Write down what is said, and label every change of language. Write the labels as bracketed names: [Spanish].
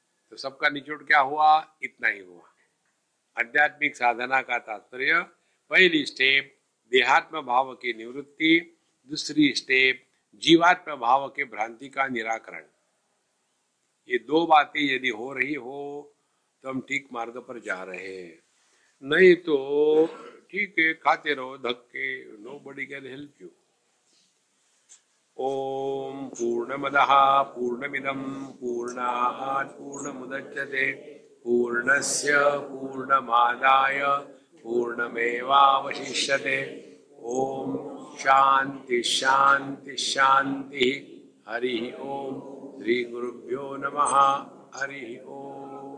[Hindi] तो सबका निचोड़ क्या हुआ, इतना ही हुआ। आध्यात्मिक साधना का तात्पर्य, पहली स्टेप देहात्म भाव की निवृत्ति, दूसरी स्टेप जीवात्म भाव के भ्रांति का निराकरण। ये दो बातें यदि हो रही हो तो हम ठीक मार्ग पर जा रहे हैं, नहीं तो ठीक है खाते रहो धक्के, [English] Nobody can help you. [Sanskrit] ओम पूर्णमदः पूर्णमिदं पूर्णात् पूर्णमुदच्यते पूर्णस्य पूर्णमादाय पूर्णमेवावशिष्यते। ओम शांति शांति शांति। हरि ओम। श्री गुरुभ्यो नमः। हरि ओम।